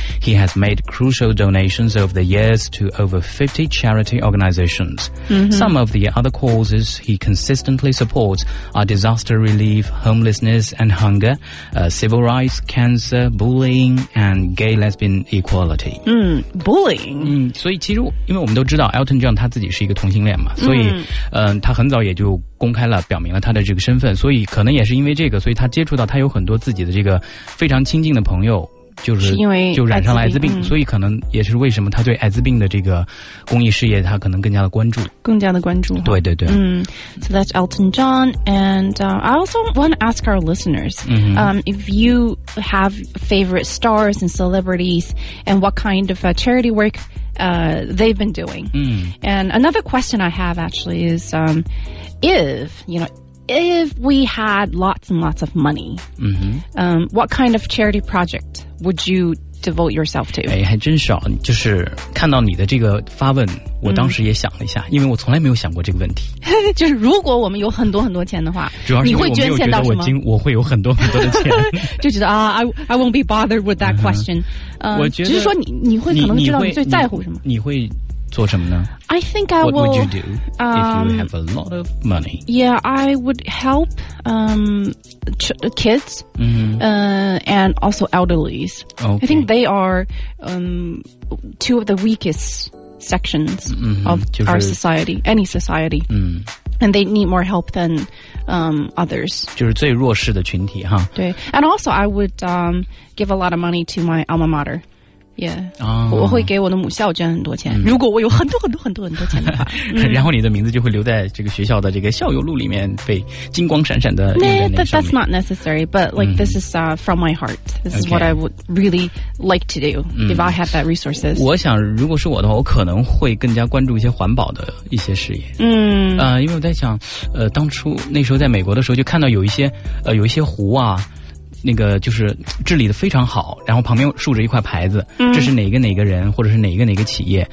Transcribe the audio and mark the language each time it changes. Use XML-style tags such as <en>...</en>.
<en>He has made crucial donations over the years to over 50 charity organizations. Some of the other causes he consistently supports are disaster relief, homelessness and hunger, civil rights, cancer, bullying,and gay lesbian equality. Bullying.</en> <zh>所以其实因为我们都知道 Elton John 他自己是一个同性恋嘛，所以他很早也就公开了表明了他的这个身份，所以可能也是因为这个，所以他接触到他有很多自己的这个非常亲近的朋友就染上了艾滋病，所以可能也是为什么他对艾滋病的这个公益事业他可能更加的关注。对对对。</zh> <en>So that's Elton John. And I also want to ask our listeners, if you have favorite stars and celebrities and what kind of charity work they've been doing. Mm. And another question I have actually is, if we had lots and lots of money, mm-hmm. What kind of charity project would you devote yourself to?</en> <zh>哎，还真少，就是看到你的这个发问，我当时也想了一下，嗯、因为我从来没有想过这个问题。就是如果我们有很多很多钱的话，主要是你会捐钱到什么？我会有很多很多的钱，就觉得啊、</zh> <en>I won't be bothered with that question、嗯。</en> <zh>我觉得只是说你会可能知道你最在乎什么？你会做什么呢？</zh> <en>I think I will. What would you do if you have a lot of money? Yeah, I would help kids、 mm-hmm. And also elderlies.、 Okay. I think they are two of the weakest sections、 mm-hmm. of、</en> <zh>就是、</zh> <en>our society, any society.、 Mm. And they need more help than others.</en> <zh>就是最弱势的群体哈。</zh> <en>对 And also I would give a lot of money to my alma mater. Yeah,、</en> <zh>哦、我会给我的母校捐很多钱、嗯、如果我有很多很多很多很多钱的话、嗯、然后你的名字就会留在这个学校的这个校友录里面被金光闪闪的印在那上面</zh> <en>That's not necessary But like、嗯、this is from my heart This is、 okay. what I would really like to do、嗯、If I had that resources</en> <zh>我想如果是我的话我可能会更加关注一些环保的一些事业嗯、因为我在想当初那时候在美国的时候就看到有一些湖啊那个就是治理的非常好然后旁边竖着一块牌子、嗯、这是哪个哪个人或者是哪个哪个企业、</zh>